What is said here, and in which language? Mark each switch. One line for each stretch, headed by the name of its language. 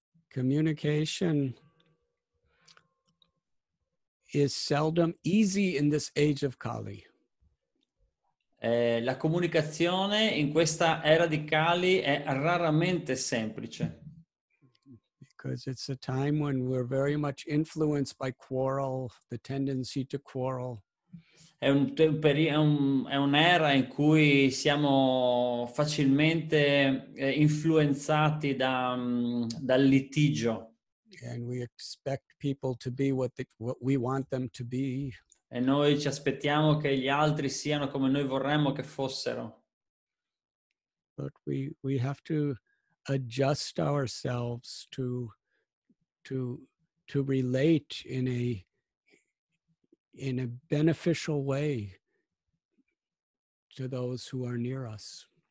English: Communication is seldom easy in this age of Kali.
Italian: La comunicazione in questa era di Kali è raramente semplice.
English: Because it's a time when we're very much influenced by quarrel, the tendency to quarrel.
Italian: È un'era in cui siamo facilmente influenzati dal litigio.
English: And we expect people to be what we want them to be.
Italian: E noi ci aspettiamo che gli altri siano come noi vorremmo che fossero.
English: But we have to adjust ourselves to relate in a beneficial way to those who are near us.